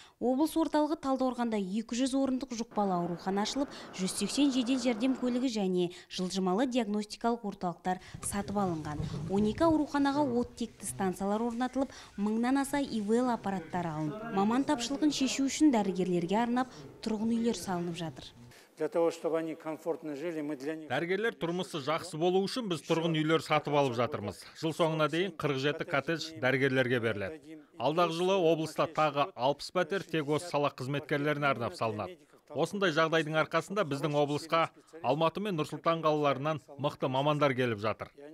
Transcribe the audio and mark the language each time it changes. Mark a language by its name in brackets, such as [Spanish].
[Kazakh] Облыс орталығы Талдықорғанда 200 орындық жұқпалы аурухана ашылып, 180 жедел жәрдем көлігі және жылжымалы диагностикалық орталықтар сатып алынған. 12 ауруханаға оттекті станциялар орнатылып, 1000-нан аса ИВЛ аппараттар алын. Маман тапшылығын шешу үшін дәрігерлерге арнап, тұрғын үйлер салынып жатыр. [Russian] Для того, чтобы они комфортно жили, мы для них. [Kazakh] Дәрігерлер тұрмысы жақсы болу үшін біз тұрғын үйлер сатып алып жатырмыз. Жыл соңына дейін 47 коттедж дәрігерлерге беріледі. Алдағы жылы облыста тағы 60 пәтер тек осы сала қызметкерлеріне арнап салынады. Осындай жағдайдың арқасында біздің облысқа Алматы мен Нұр-Сұлтан қалаларынан мықты мамандар келіп жатыр.